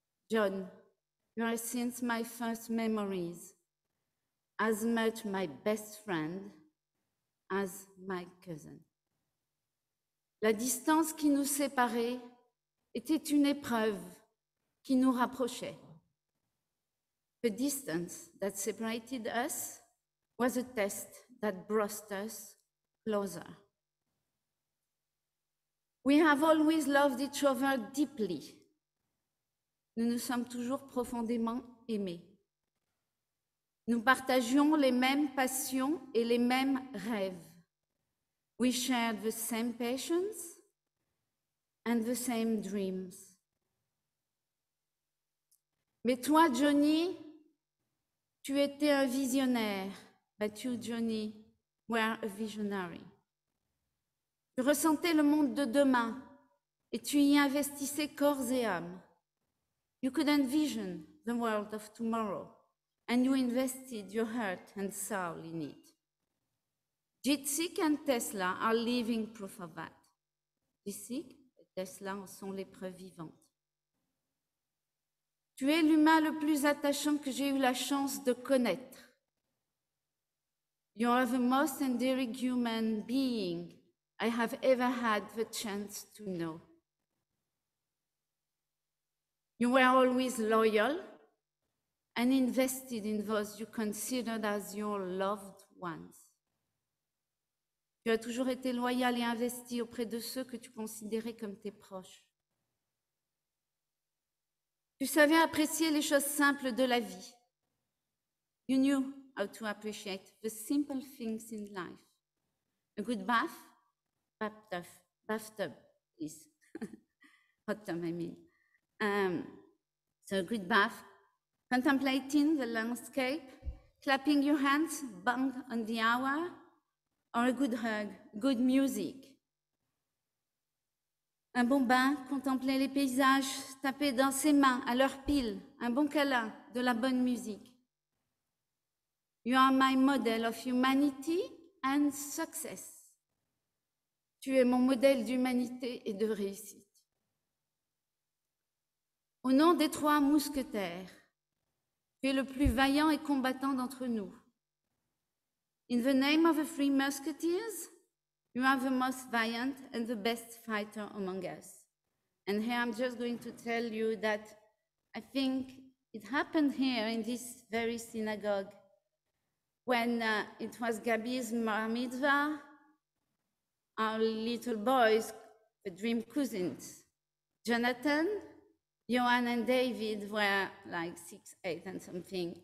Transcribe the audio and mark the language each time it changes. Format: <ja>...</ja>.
<en>John, you are since my first memories as much my best friend as my cousin.</en> <fr>La distance qui nous séparait était une épreuve qui nous rapprochait.</fr> <en>The distance that separated us was a test that brought us closer. We have always loved each other deeply.</en> <fr>Nous nous sommes toujours profondément aimés. Nous partagions les mêmes passions et les mêmes rêves.</fr> <en>We shared the same passions and the same dreams.</en> <fr>Mais toi, Johnny, tu étais un visionnaire.</fr> <en>But you, Johnny, were a visionary.</en> <fr>Tu ressentais le monde de demain et tu y investissais corps et âme.</fr> <en>You could envision the world of tomorrow and you invested your heart and soul in it. Jitsik and Tesla are living proof of that.</en> <fr>Jitsik et Tesla en sont les preuves vivantes. Tu es l'humain le plus attachant que j'ai eu la chance de connaître.</fr> <en>You are the most endearing human being I have ever had the chance to know. You were always loyal and invested in those you considered as your loved ones.</en> <fr>Tu as toujours été loyal et investi auprès de ceux que tu considérais comme tes proches. Tu savais apprécier les choses simples de la vie.</fr> <en>You knew how to appreciate the simple things in life. A good bathtub, please. Hot tub, I mean. So a good bath, contemplating the landscape, clapping your hands, bang on the hour, or a good hug, good music.</en> <fr>Un bon bain, contempler les paysages, taper dans ses mains, à leur pile, un bon câlin, de la bonne musique.</fr> <en>You are my model of humanity and success.</en> <fr>Tu es mon modèle d'humanité et de réussite. Au nom des trois mousquetaires, tu es le plus vaillant et combattant d'entre nous.</fr> <en>In the name of the three musketeers, you are the most valiant and the best fighter among us. And here I'm just going to tell you that I think it happened here in this very synagogue when it was Gabi's bar mitzvah, our little boys, the dream cousins, Jonathan, Yoann and David were like 6, 8 and something.</en>